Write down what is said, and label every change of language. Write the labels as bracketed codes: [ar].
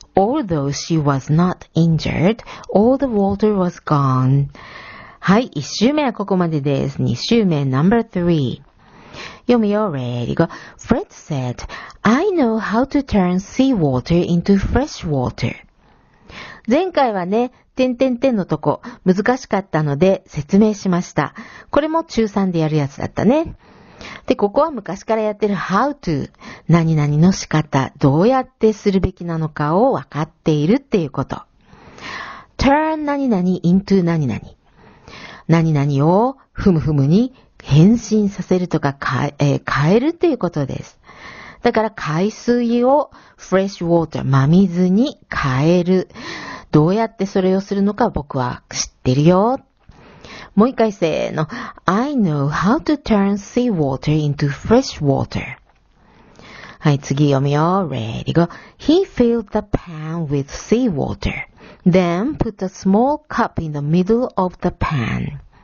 [en] Although she was not injured, all the water was gone. [ja] はい、一周目はここまでです。二周目、 [en] number three. [ja] 読むよ、 [en] ready go. Fred said, I know how to turn seawater into fresh water. [ja] 前回はね、点々点のとこ、難しかったので説明しました。これも中3でやるやつだったね。で、ここは昔からやってる how to 何々の仕方、どうやってするべきなのかを分かっているっていうこと。 turn 何々 into 何々。何々をふむふむに変身させるとか変えるっていうことです。だから海水を fresh water 真水に変える。どうやってそれをするのか僕は知ってるよ。もう一回せーの。 [en] I know how to turn seawater into fresh water. [ja] はい、次読むよ。 [en] Ready, go. He filled the pan with seawater. Then put a small cup in the middle of the pan.